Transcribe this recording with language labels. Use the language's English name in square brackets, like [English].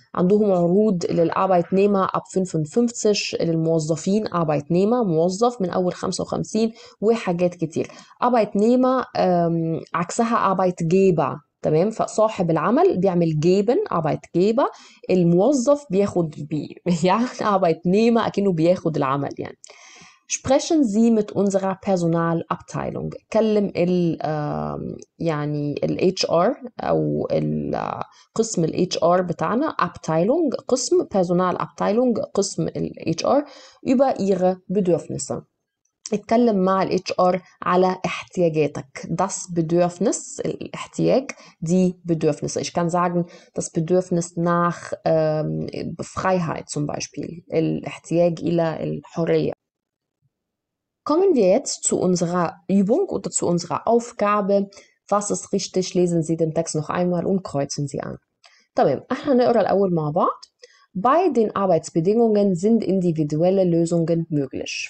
[Arabic] عندهم عروض للأربايت نيما اب 55 للموظفين, أربايت نيما موظف من أول 55, وحاجات كتير. أربايت نيما عكسها أربايت جيبا, تمام؟ فصاحب العمل بيعمل جيبن أربايت جيبا, الموظف بياخد يعني أربايت نيما أكنه بياخد العمل يعني. [German] Sprechen Sie mit unserer Personalabteilung. [Arabic] كلم ال يعني ال HR أو قسم ال HR بتاعنا, Abteilung قسم, Personalabteilung قسم ال HR, [German] über Ihre Bedürfnisse. [Arabic] اتكلم مع ال HR على احتياجاتك. [German] Das Bedürfnis, الاحتياج, die Bedürfnisse. Ich kann sagen, das Bedürfnis nach Freiheit zum Beispiel. [Arabic] الاحتياج إلى الحرية. [German] Kommen wir jetzt zu unserer Übung oder zu unserer Aufgabe. Was ist richtig? Lesen Sie den Text noch einmal und kreuzen Sie an. [Arabic] تمام, احنا نقرأ الأول مع بعض. [German] Bei den Arbeitsbedingungen sind individuelle Lösungen möglich.